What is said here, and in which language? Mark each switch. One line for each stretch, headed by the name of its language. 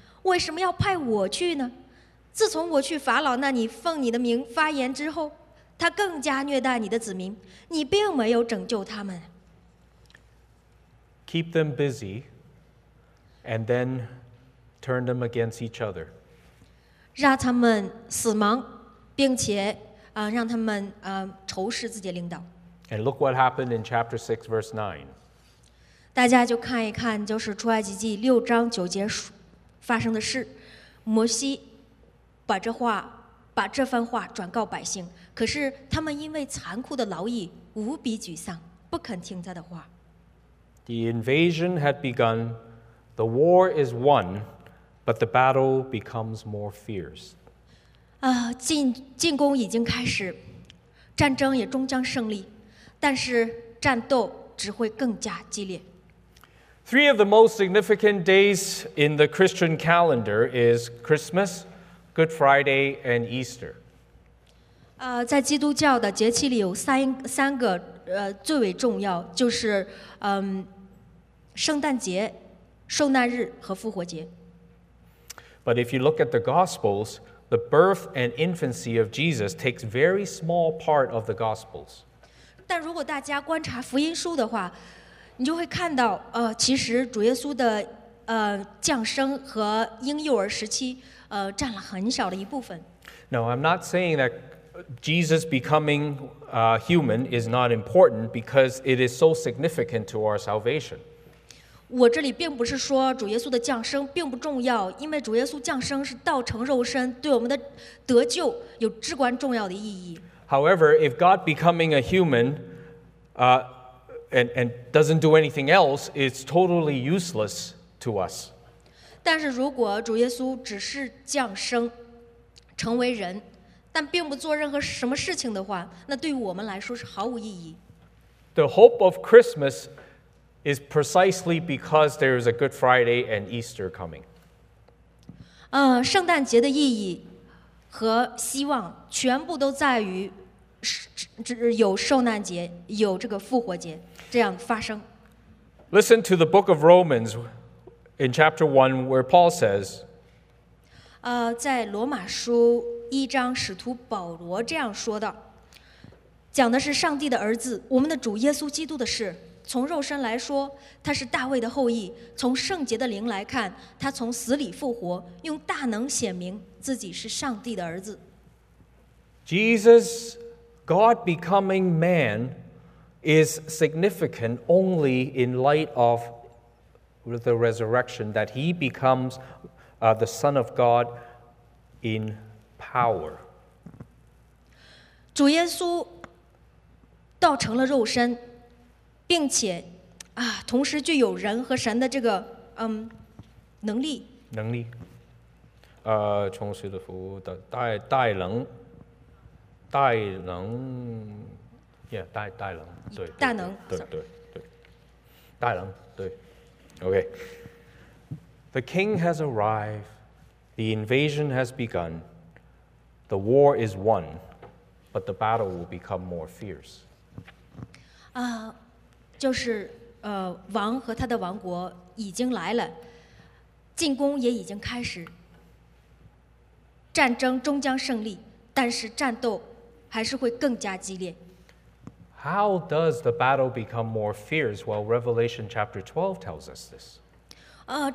Chinese: 为什么要派我去呢？自从我去法老那里奉你的名发言之后，他更加虐待你的子民，你并没有拯救他们。
English: Keep them busy and then turn them against each other.
Chinese: 让他们死忙，并且让他们仇视自己的领导。
English: And look what happened in chapter 6, verse 9.
Chinese: 大家就看一看，就是出埃及记六章九节发生的事。摩西把这番话转告百姓，可是他们因为残酷的劳役无比沮丧，不肯听他的话。
English: The invasion had begun, the war is won, but the battle becomes more fierce.
Chinese: 进攻已经开始，战争也终将胜利，但是战斗只会更加激烈。
English: Three of the most significant days in the Christian calendar is Christmas, Good Friday, and Easter.
Chinese: 在基督教的节气里有三个最为重要，就是圣诞节、受难日和复活节。
English: But if you look at the Gospels,The birth and infancy of Jesus takes very small part of the Gospels.
Chinese: 但如果大家观察福音书的话，你就会看到，其实主耶稣的降生和婴幼儿时期占了很小的一部分。
English: No, I'm not saying that Jesus becoming human is not important because it is so significant to our salvation.
Chinese: 我这里并不是说主耶稣的降生并不重要，因为主耶稣降生是道成肉身，对我们的得救有至关重要的意义。
English: However, if God becoming a human and doesn't do anything else, it's totally useless to us.
Chinese: 但是如果主耶稣只是降生成为人但并不做任何什么事情的话，那对于我们来说是毫无意义。
English: The hope of Christmas is precisely because there is a Good Friday and Easter coming.
Chinese: 圣诞节的意义和希望全部都在于有受难节，有这个复活节这样发生。
English: Listen to the book of Romans in chapter 1 where Paul says,
Chinese: 在罗马书一章使徒保罗这样说的，讲的是上帝的儿子我们的主耶稣基督的事。从肉身来说，他是大卫的后裔；从圣洁的灵来看，他从死里复活，用大能显明自己是上帝的儿子。
English: Jesus, God becoming man, is significant only in light of the resurrection, that he becomes the Son of God in power.
Chinese: 主耶稣道成了肉身，并且同时具有人和神的这个能力。能力，充实的服务的代能，代能，代能，对，代能，对，代能，对 ，OK。
English: The king has arrived. The invasion has begun. The war is won, but the battle will become more fierce.
Chinese: 就是王和他的王国已经来了，进攻也已经开始，战争终将胜利，但是战斗还是会更加激烈。
English: How does the battle become more fierce? Well, Revelation chapter 12 tells us this.